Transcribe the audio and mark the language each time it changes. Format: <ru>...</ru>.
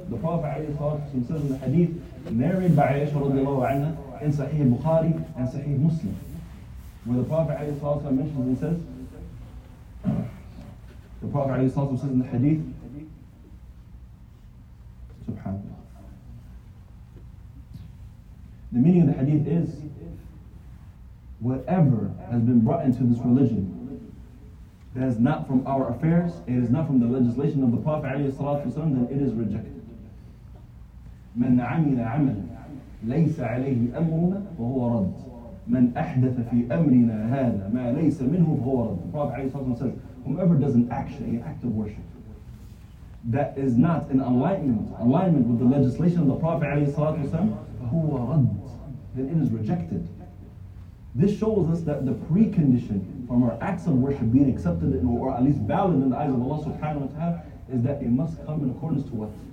<en>The Prophet alayhi wa sallam says in the hadith narrated by Aisha radiallahu anha in Sahih Bukhari and Sahih Muslim, where the Prophet alayhi wa sallam mentions and says, the Prophet alayhi wa sallam says in the hadith, Subhanallah. The meaning of the hadith is, whatever has been brought into this religion that is not from our affairs, it is not from the legislation of the Prophet ﷺ, then it is rejected.</en> <ar>من عمل عمل ليس عليه أمرنا وهو رد من أحدث في أمرنا هذا ما ليس منه فهو رد.</ar> <en>The Prophet ﷺ says, whomever does an action, an act of worship that is not in alignment with the legislation of the Prophet ﷺ,</en> <ar>هو رد,</ar> <en>then it is rejected. This shows us that the precondition from our acts of worship being accepted in, or at least valid in the eyes of Allah subhanahu wa ta'ala, is that it must come in accordance to what?</en>